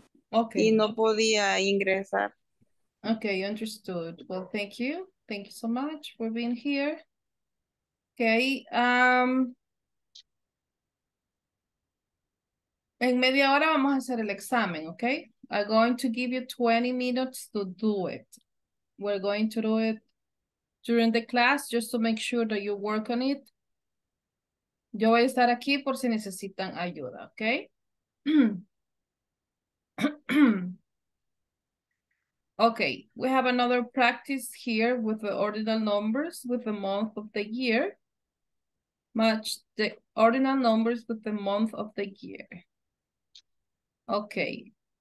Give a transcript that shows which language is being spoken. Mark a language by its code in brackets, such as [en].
[en] Okay. [es] Y no podía ingresar. [en] Okay, understood. Well, thank you. Thank you so much for being here. Okay. [es] En media hora vamos a hacer el examen, okay? [en] I'm going to give you 20 minutes to do it. We're going to do it during the class just to make sure that you work on it. [es] Yo voy a estar aquí por si necesitan ayuda, okay? [en] Okay, we have another practice here with the ordinal numbers with the month of the year. Match the ordinal numbers with the month of the year. Okay.